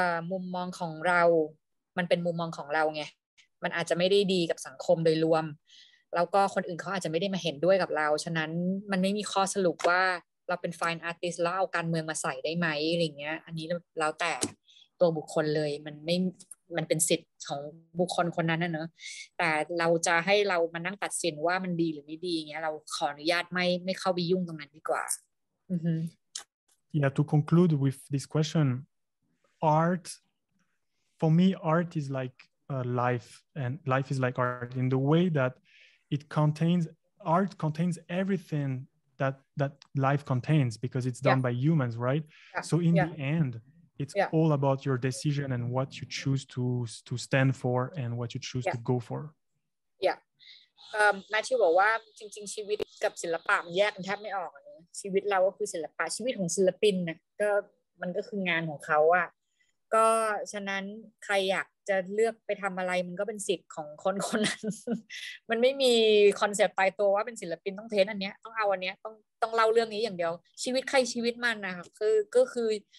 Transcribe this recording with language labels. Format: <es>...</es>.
<th>มุมมองของเรามันเป็นมุมมองของเราไงมันอาจจะไม่ได้ดีกับสังคมโดยรวมแล้วก็คนอื่นเขาอาจจะไม่ได้มาเห็นด้วยกับเราฉะนั้นมันไม่มีข้อสรุปว่าเราเป็นฟายน์อาร์ติสต์แล้วเอาการเมืองมาใส่ได้ไหมอะไรเงี้ยอันนี้แล้วแต่ตัวบุคคลเลยมันเป็นสิทธิ์ของบุคคลคนนั้นนะเนาะแต่เราจะให้เรามานั่งตัดสินว่ามันดีหรือไม่ดีเงี้ยเราขออนุญาตไม่เข้าไปยุ่งตรงนั้นดีกว่า</th> <en>Yeah, to conclude with this question art for me art is like life and life is like art in the way thatart contains everything that life contains because it's done by humans, right? Yeah. So in the end, it's all about your decision and what you choose to stand for and what you choose to go for. Yeah.</en> <th>Matthew บอกว่าจริงๆชีวิตกับศิลปะมันแยกกันแทบไม่ออกชีวิตเราก็คือศิลปะชีวิตของศิลปินนะก็มันก็คืองานของเขาอะก็ฉะนั้นใครอยากจะเลือกไปทำอะไรมันก็เป็นสิทธิ์ของคนคนนั้นมันไม่มีคอนเซ็ปต์ตายตัวว่าเป็นศิลปินต้องเทนอันเนี้ยต้องเอาอันเนี้ยต้องเล่าเรื่องนี้อย่างเดียวชีวิตใครชีวิตมันนะคะก็คือ</th>